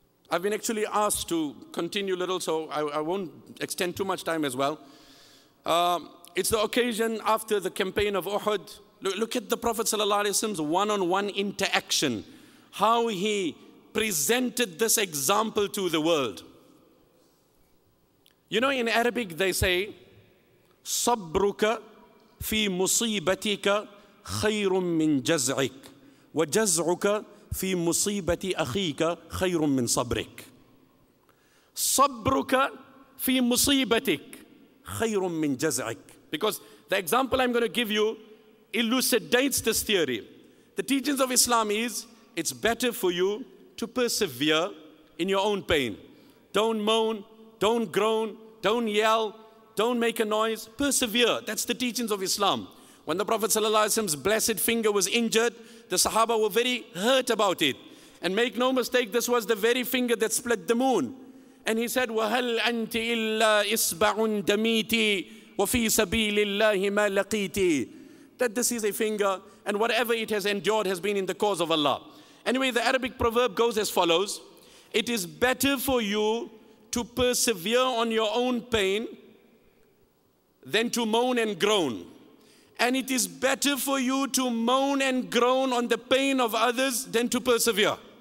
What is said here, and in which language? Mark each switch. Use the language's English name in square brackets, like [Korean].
[English] I've been actually asked to continue a little, so I won't extend too much time as well. It's the occasion after the campaign of Uhud. Look at the Prophet sallallahu alaihi wasallam's one-on-one interaction, how he presented this example to the world. You know, in Arabic they say, [Arabic] صبرك في مصيبتك خير من جزعك وجزعك في مصيبة أخيك خير من صبرك. صبرك في مصيبتك خير من جزعك. [English] Because the example I'm going to give you elucidates this theory. The teachings of Islam is, it's better for you to persevere in your own pain. Don't moan, don't groan, don't yell, don't make a noise, persevere. That's the teachings of Islam. When the Prophet sallallahu alaihi wasallam's blessed finger was injured, the Sahaba were very hurt about it. And make no mistake, this was the very finger that split the moon. And he said, [Arabic] وَهَلْ أَنْتِ إِلَّا إِصْبَعٌ دَمِيتِ وَفِي سَبِيلِ اللَّهِ مَا لَقِيتِ. [English] That this is a finger, and whatever it has endured has been in the cause of Allah. Anyway, the Arabic proverb goes as follows. It is better for you to persevere on your own pain than to moan and groan. And it is better for you to moan and groan on the pain of others than to persevere.